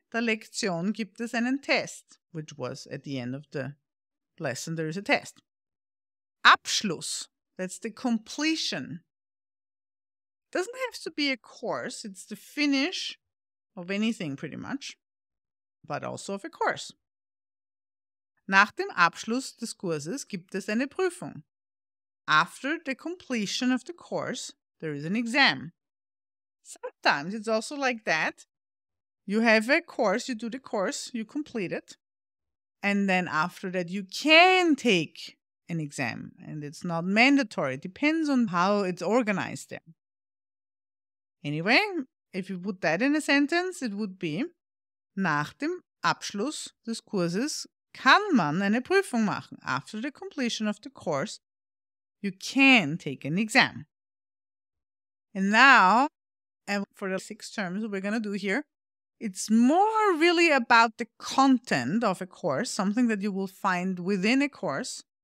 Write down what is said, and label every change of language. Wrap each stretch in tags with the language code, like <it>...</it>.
<de>der Lektion gibt es einen Test,</de> <en>which was at the end of the lesson, there is a test. Abschluss, that's the completion. Doesn't have to be a course, it's the finish of anything pretty much, but also of a course.</en> <de>Nach dem Abschluss des Kurses gibt es eine Prüfung.</de> <en>After the completion of the course, there is an exam. Sometimes it's also like that. You have a course, you do the course, you complete it. And then after that, you can take an exam. And it's not mandatory. It depends on how it's organized there. Anyway, if you put that in a sentence, it would be,</en> <de>nach dem Abschluss des Kurses kann man eine Prüfung machen.</de> <en>After the completion of the course, you can take an exam. And now, and for the 6 terms we're going to do here, it's more really about the content of a course, something that you will find within a course.</en>